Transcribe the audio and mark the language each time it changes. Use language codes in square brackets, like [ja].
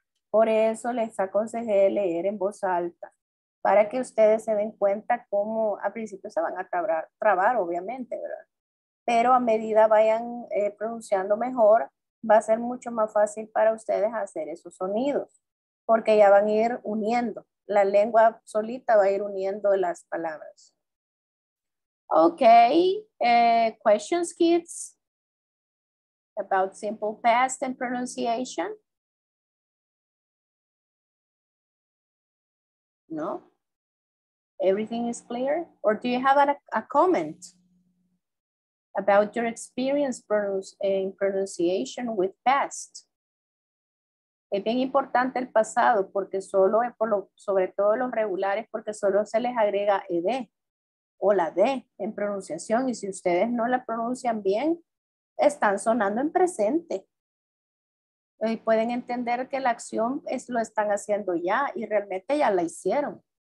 [es] Por eso les aconsejé leer en voz alta, para que ustedes se den cuenta cómo al principio se van a trabar, obviamente, ¿verdad? Pero a medida vayan pronunciando mejor, va a ser mucho más fácil para ustedes hacer esos sonidos, porque ya van a ir uniendo. La lengua solita va a ir uniendo las palabras. [en] Okay, questions, kids, about simple past and pronunciation? No? Everything is clear? Or do you have a comment about your experience in pronunciation with past? [es] Es bien importante el pasado porque solo es por lo, sobre todo los regulares, porque solo se les agrega ed o la d en pronunciación, y si ustedes no la pronuncian bien, están sonando en presente. Y pueden entender que la acción es, lo están haciendo ya y realmente ya la hicieron.